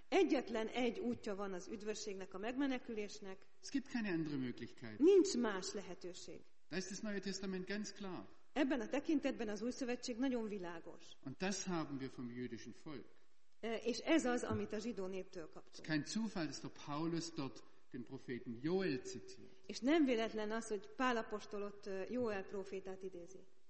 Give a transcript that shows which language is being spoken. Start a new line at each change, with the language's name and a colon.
Hungarian: Egyetlen egy útja van az üdvösségnek, a megmenekülésnek.
German: Es gibt keine andere Möglichkeit.
Hungarian: Nincs más lehetőség.
German: Da ist das Neue Testament ganz klar.
Hungarian: Ebben a tekintetben az Új Szövetség nagyon világos.
German: Und das haben wir vom jüdischen Volk.
Hungarian: És ez az, amit a zsidó néptől kaptunk.
German: Kein Zufall, dass der Paulus dort den Propheten Joel zitiert.
Hungarian: És nem véletlen az, hogy Pál apostol ott Joel prófétát idézi.